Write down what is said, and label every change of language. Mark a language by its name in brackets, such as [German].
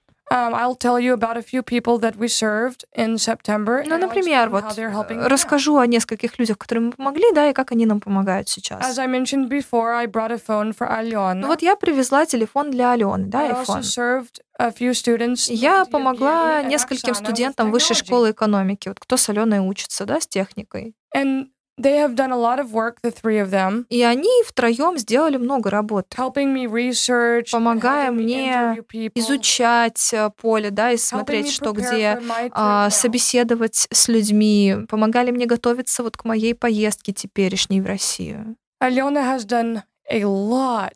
[English] I'll tell you about a few people that we served in September. [Russian] Ну, например, вот расскажу о нескольких людях, которым мы помогли, да, и как они нам помогают сейчас. [English] As I mentioned before, I brought a phone for Alyona. [Russian] Ну, вот я привезла телефон для Алены, да, iPhone. [English] I also served a few students. [Russian] Я помогла нескольким студентам высшей школы экономики, вот кто с Аленой учится, да, с техникой. [English] And they have done a lot of work, the three of them. [Russian] И они втроем сделали много работы. [English] Helping me research, [Russian] помогая мне изучать поле, да, и смотреть, что где, собеседовать с людьми. Помогали мне готовиться вот к моей поездке теперешней в Россию. [English] Алена has done a lot.